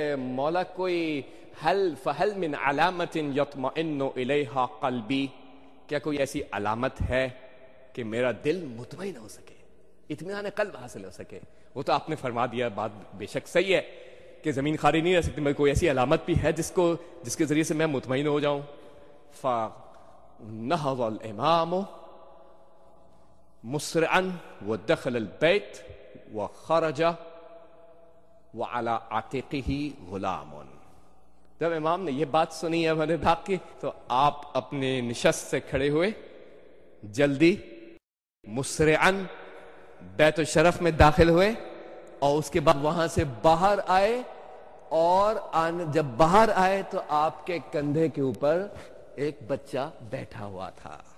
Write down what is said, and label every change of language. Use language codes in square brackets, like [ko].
[ur] مولا کوئی هل [ar] فهل من علامت يطمئن اليها قلبي، [ur] کیا کوئی ایسی علامت ہے کہ میرا دل مطمئن ہو سکے، اطمینان قلب حاصل ہو سکے؟ وہ تو آپ نے فرما دیا بات بے شک صحیح ہے کہ زمین خاری نہیں رہ سکتی، مگر کوئی ایسی علامت بھی ہے جس کے ذریعے سے میں مطمئن ہو جاؤں. [ar] فنهض الامام مسرعا ودخل البيت وخرج وعلى عاتقه غلام. [ur] جب امام نے یہ بات سنی ہے ہمارے بھاگ کی تو آپ اپنے نشست سے کھڑے ہوئے، جلدی مسرعن بیت الشرف میں داخل ہوئے اور اس کے بعد وہاں سے باہر آئے، اور جب باہر آئے تو آپ کے کندھے کے اوپر ایک بچہ بیٹھا ہوا تھا.